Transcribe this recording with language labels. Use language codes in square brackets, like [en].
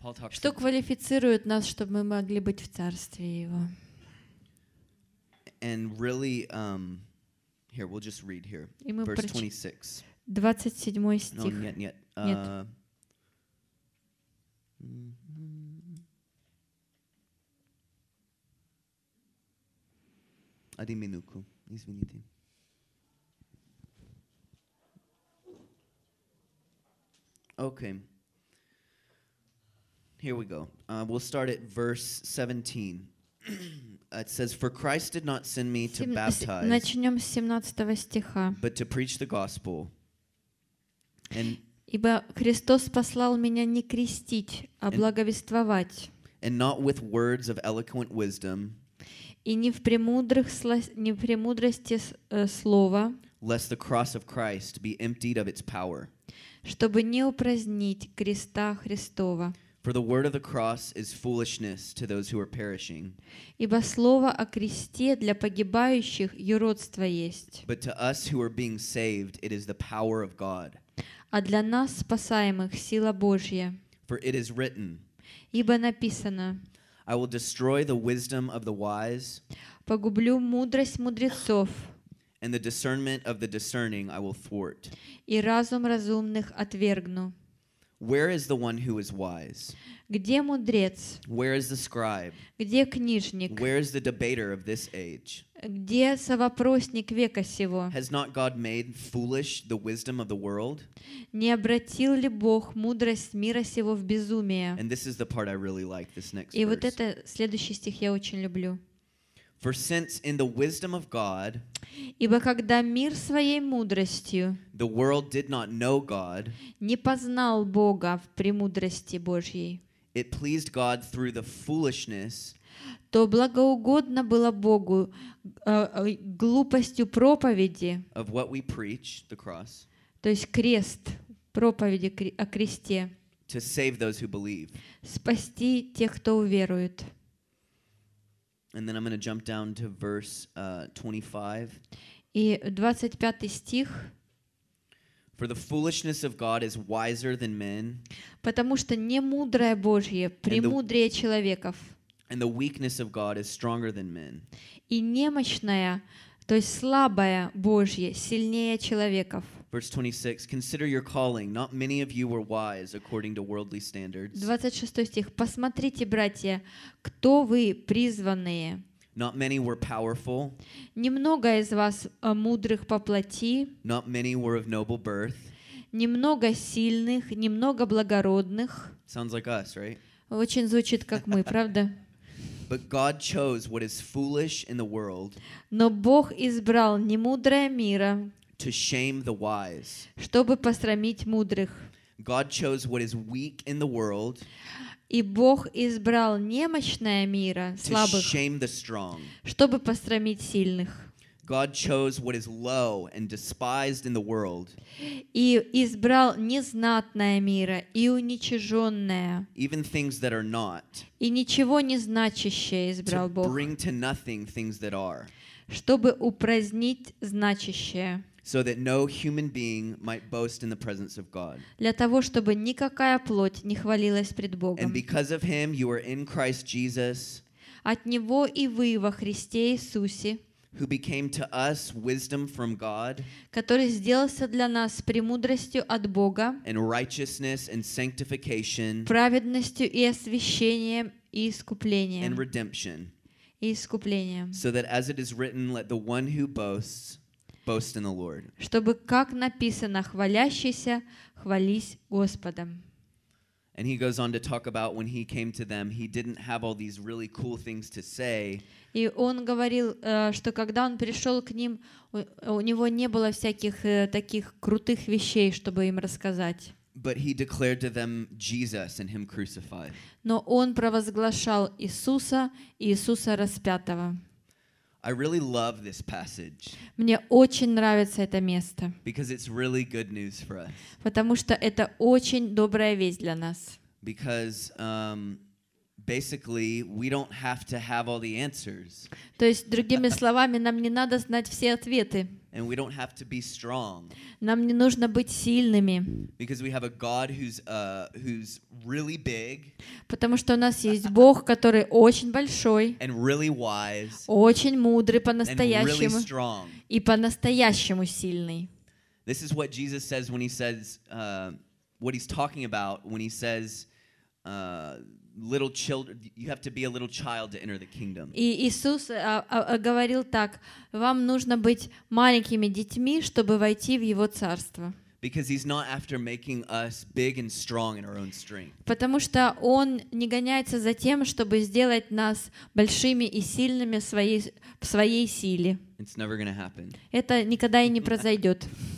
[ru] Что квалифицирует нас, чтобы мы могли быть в царстве Его? [en] And really, here we'll just read here, verse 26. [ru] 27 стих. [en] No, [ru] нет, нет. Один минутку, извините. [en] Okay. Here we go. We'll start at verse 17. It says, "For Christ did not send me to baptize, [ru] начнем с 17 стиха. [en] But to preach the gospel." And [ru] ибо Христос послал меня не крестить, а благовествовать. [en] And not with words of eloquent wisdom. [ru] И не в премудрых премудрости слова. [en] Lest the cross of Christ be emptied of its power. [ru] Чтобы не упразднить креста Христова. [en] For the word of the cross is foolishness to those who are perishing. [ru] Ибо слово о кресте для погибающих юродство есть. [en] But to us who are being saved, it is the power of God. [ru] А для нас спасаемых сила Божья. [en] For it is written. [ru] Ибо написано. [en] I will destroy the wisdom of the wise. [ru] Погублю мудрость мудрецов. [en] And the discernment of the discerning I will thwart. [ru] И разум разумных отвергну. [en] Where is the one who is wise? [ru] Где мудрец? [en] Where is the scribe? [ru] Где книжник? [en] Where is the debater of this age? [ru] Где совопросник века сего? [en] Has not God made foolish the wisdom of the world? [ru] Не обратил ли Бог мудрость мира сего в безумие? [en] And this is the part I really like, this next verse. [ru] И вот это следующий стих я очень люблю. [en] For since in the wisdom of God, [ru] ибо когда мир своей мудростью, [en] the world did not know God, [ru] не познал Бога в премудрости Божьей, [en] it pleased God through the foolishness, [ru] то благоугодно было Богу глупостью проповеди, [en] of what we preach, the cross, [ru] то есть крест, проповеди о кресте, [en] to save those who believe, [ru] спасти тех, кто уверует. [en] And then I'm going to jump down to verse [ru] 25. И 25 стих. [en] For the foolishness of God is wiser than men. [ru] Потому что немудрое Божье премудрее человеков. [en] And the weakness of God is stronger than men. [ru] И немощное, то есть слабое Божье сильнее человеков. [en] Verse 26. Consider your calling. Not many of you were wise according to worldly standards. [ru] 26 стих. Посмотрите, братья, кто вы призванные. [en] Not many were powerful. [ru] Немного из вас мудрых по плоти. [en] Not many were of noble birth. [ru] Немного сильных, немного благородных. [en] Sounds like us, right? [ru] Очень звучит как мы, правда? [en] But God chose what is foolish in the world. [ru] Но Бог избрал немудрое мира. [en] To shame the wise. [ru] Чтобы посрамить мудрых. [en] God chose what is weak in the world. [ru] И Бог избрал немощное мира, слабых. [en] To shame the strong. [ru] Чтобы посрамить сильных. [en] God chose what is low and despised in the world. [ru] И избрал незнатное мира и уничиженное. [en] Even things that are not. [ru] И ничего не значащее избрал Бог. [en] To bring to nothing things that are. [ru] Чтобы упразднить значащее. [en] So that no human being might boast in the presence of God. [ru] Для того, чтобы никакая плоть не хвалилась пред Богом. [en] And because of him you are in Christ Jesus. [ru] От него и вы во Христе Иисусе. [en] Who became to us wisdom from God. [ru] Который сделался для нас премудростью от Бога. [en] And righteousness and sanctification. [ru] Праведностью и освящением и искуплением. [en] And redemption. [ru] И искуплением. [en] So that as it is written, let the one who boasts boast in the Lord. [ru] Чтобы, как написано, хвалящийся, хвались Господом. [en] And he goes on to talk about when he came to them, he didn't have all these really cool things to say. [ru] И он говорил, что когда он пришел к ним, у него не было всяких таких крутых вещей, чтобы им рассказать. [en] But he declared to them Jesus and him crucified. [ru] Но он провозглашал Иисуса и Иисуса распятого. [en] I really love this passage. [ru] Мне очень нравится это место. [en] Because it's really good news for us. [ru] Потому что это очень добрая весть для нас. [en] Because basically we don't have to have all the answers. [ru] То есть другими словами, нам не надо знать все ответы. [en] And we don't have to be strong. [ru] Нам не нужно быть сильными. [en] Because we have a God who's who's really big. [ru] Потому что у нас есть Бог, который очень большой. [en] And really wise. [ru] Очень мудрый по-настоящему. [en] And really strong. [ru] И по-настоящему сильный. [en] This is what Jesus says when he says what he's talking about when he says little children, you have to be a little child to enter the kingdom. [ru] И Иисус говорил так: вам нужно быть маленькими детьми, чтобы войти в Его царство. [en] Because he's not after making us big and strong in our own strength. [ru] Потому что он не гоняется за тем, чтобы сделать нас большими и сильными в своей силе. [en] It's never gonna happen. [ru] Это никогда и не произойдет.